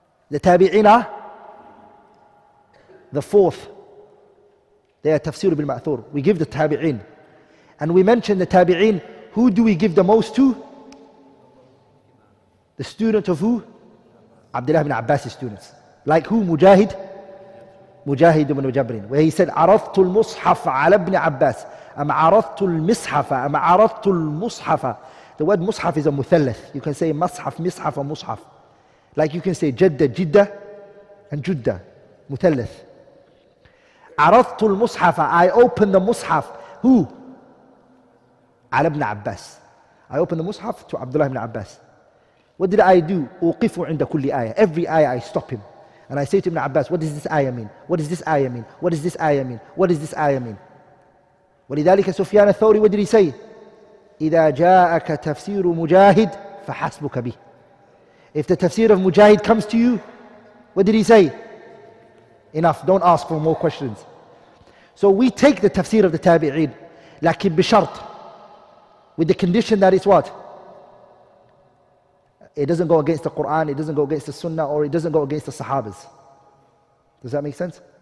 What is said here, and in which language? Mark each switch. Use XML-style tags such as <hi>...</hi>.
<en>The tabi'in are the fourth. They are tafsir bil ma'thur. We give the tabi'in. And we mention the tabi'in, who do we give the most to? The student of who? Abdullah ibn Abbas's students. Like who? Mujahid? Mujahid ibn Jabrin.</en> <ar>Where he said, عَرَضْتُ الْمُصْحَفَ عَلَى ابْنِ عَبَّاسِ أَمْ عَرَضْتُ الْمِصْحَفَ أَمْ عَرَضْتُ الْمُصْحَفَ</ar> <en>The word mushaf is a muthallath. You can say mashaf, mishaf, or mushaf. Like you can say jadda, jidda, and judda. Muthallath.</en> <ar>عَرَضْتُ الْمُصْحَفَ</ar> <en>I open the mushaf. Who?</en> <ar>عَلَى ابْنِ عَبَّاسِ</ar> <en>I open the mushaf to Abdullah ibn Abbas. What did I do?</en> <ar>أُوقِفُ عِنْدَ كُلِّ آيَة</ar> <en>Every ayah I stop him. And I say to Ibn Abbas, what does this ayah mean? What does this ayah mean? What does this ayah mean? What does this ayah mean?</en> <ar>ولذلك</ar> <en>سفيان الثوري, what did he say?</en> <ar>إذا جاءك تفسير مجاهد فحسبك به.</ar> <en>If the tafsir of Mujahid comes to you, what did he say? Enough, don't ask for more questions. So we take the tafsir of the tabi'in,</en> <ar>لكن بشرط,</ar> <en>with the condition that it's what? It doesn't go against the Quran, it doesn't go against the Sunnah, or it doesn't go against the Sahabas. Does that make sense?</en>